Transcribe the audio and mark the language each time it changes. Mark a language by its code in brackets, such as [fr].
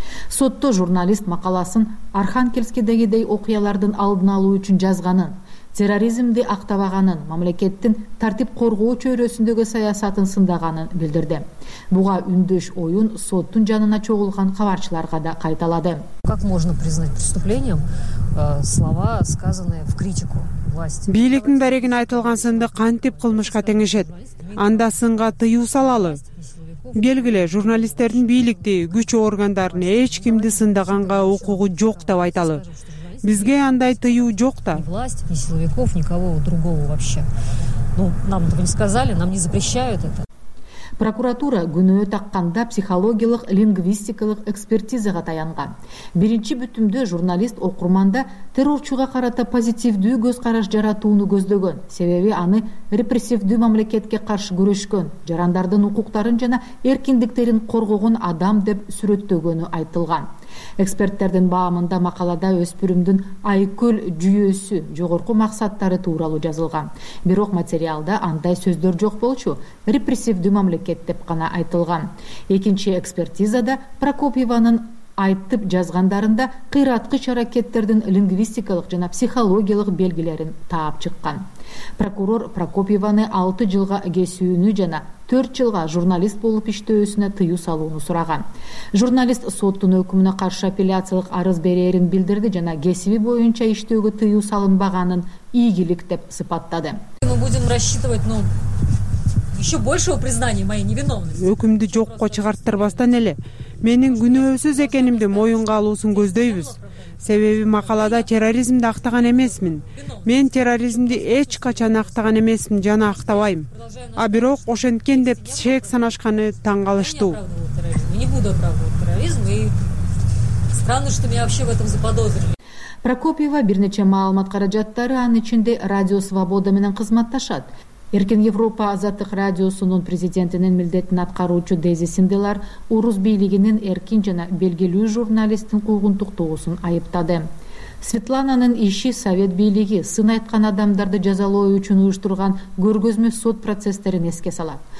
[ky] Сотто журналист макаласын Архангельскидегидей окуялардын алдын алуу үчүн жазганын, терроризмди актабаганын, мамлекеттин тартип коргоо чөйрөсүндөгү саясатын сындаганын билдирди. Буга үндөш оюн соттун жанына чогулган кабарчыларга да кайталады. [ru] Как можно признать преступлением слова, сказанные в критику власти? [ky] Бийликтин дарегине айтылган сынды кантип кылмышка теңешет? Анда сынга тыюу салалы. Белгиле, журналисттердин бийликти, күч органдарын эч кимди сындаганга укугу жок деп айталы. Бизге андай тыюу жок да. [ru] Власть, ни силовиков, никого другого вообще. Ну, нам этого не сказали, нам не запрещают это. [ky] Прокуратура күнөө такканда психологиялык, лингвистикалык экспертизага таянган. Биринчи бүтүмдө журналист окурманда террорчуга карата позитивдүү көз караш жаратууну көздөгөн. Себеби аны репрессивдүү мамлекетке каршы күрөшкөн, жарандардын укуктарын жана эркиндиктерин коргогон адам деп сүрөттөгөнү айтылган. Эксперттердин баамында макалада өспүрүмдүн айкөл жүйөсү жогорку максаттары тууралуу жазылган. Бирок материалда андай сөздөр жок болчу, репрессивдүү мамлекет деп гана айтылган. Экинчи экспертизада Прокопьеванын айтып жазгандарында кыйраткыч аракеттердин лингвистикалык жана психологиялык белгилерин таап чыккан. Прокурор Прокопьеваны 6 жылга кесүүнү жана 4 жылга журналист болуп иштөөсүнө тыюу салууну сураган. Журналист соттун өкүмүнө каршы апелляциялык арыз берерин билдирди жана кесиби боюнча иштөөгө тыюу салынбаганын ийгилик деп сыпаттады. [ru] Мы будем рассчитывать, еще большего признания моей невиновности. [ky] Өкүмдү жокко чыгарттырбастан эле менин күнөөсүз экенимди моюнга алуусун көздөйбүз. Себеби макалада терроризмди актаган эмесмин. Мен терроризмди эч качан актаган эмесмин жана актабайм. А бирок ошенткен деп шек санашканы таң калыштуу. [ru] Не буду оправдывать терроризм и странно, что меня вообще в этом заподозрили. [ky] Прокопьева бир нече маалымат каражаттары анын ичинде Радио Свобода менен кызматташат. Эркин Европа Азаттык Радиосунун президентинин милдетин аткаруучу Дези Синделар орус бийлигинин эркин жана белгилүү журналисттин куугунтуктоосун айыптады. Светлананын иши совет бийлиги сын айткан адамдарды жазалоо үчүн уюштурган көргөзмө сот процесстерин эске салат.